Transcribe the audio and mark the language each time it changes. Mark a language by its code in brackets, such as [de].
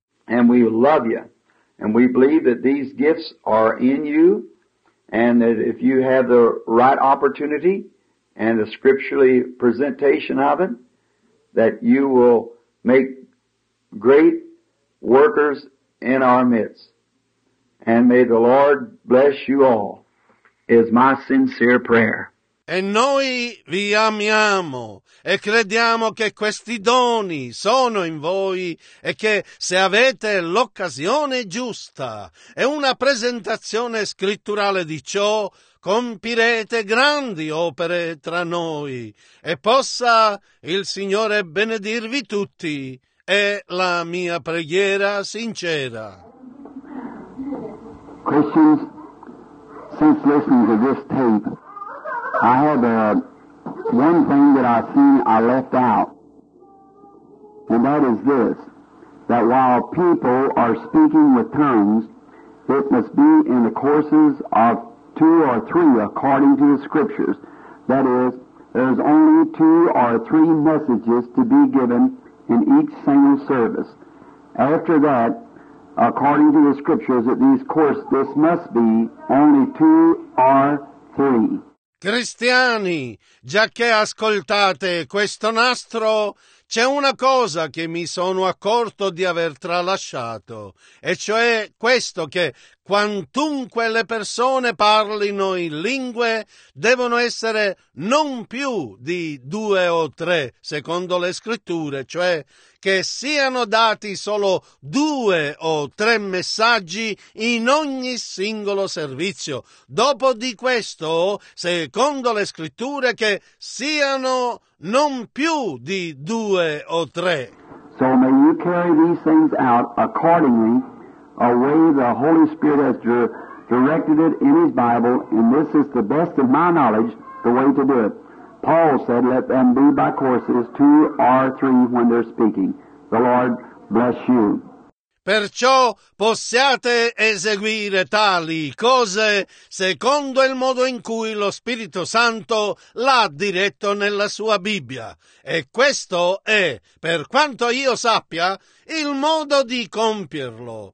[en] And we love you. And we believe that these gifts are in you, and that if you have the right opportunity and the scripturally presentation of it, that you will make great workers in our midst. And may the Lord bless you all, is my sincere prayer. [it] E noi vi amiamo e crediamo che questi doni sono in voi e che se avete l'occasione giusta e una presentazione scritturale di ciò, compirete grandi opere tra noi e possa il Signore benedirvi tutti. È la mia preghiera sincera. [en] Questions? Since listening to this tape, I have one thing that I seen I left out, and that is this, that while people are speaking with tongues, it must be in the courses of two or three according to the Scriptures. That is, there's only two or three messages to be given in each single service. After that, according to the Scriptures, at these courses, this must be only two or three. [it] Cristiani, già che ascoltate questo nastro, c'è una cosa che mi sono accorto di aver tralasciato, e cioè questo che quantunque le persone parlino in lingue, devono essere non più di due o tre, secondo le scritture, cioè che siano dati solo due o tre messaggi in ogni singolo servizio. Dopo di questo, secondo le scritture, che siano non più di due o tre. [en] So may you carry these things out accordingly, a way the Holy Spirit has directed it in His Bible, and this is the best of my knowledge, the way to do it. Paul said, let them be by courses, two or three when they're speaking. The Lord bless you. [it] Perciò possiate eseguire tali cose secondo il modo in cui lo Spirito Santo l'ha diretto nella sua Bibbia. E questo è, per quanto io sappia, il modo di compierlo.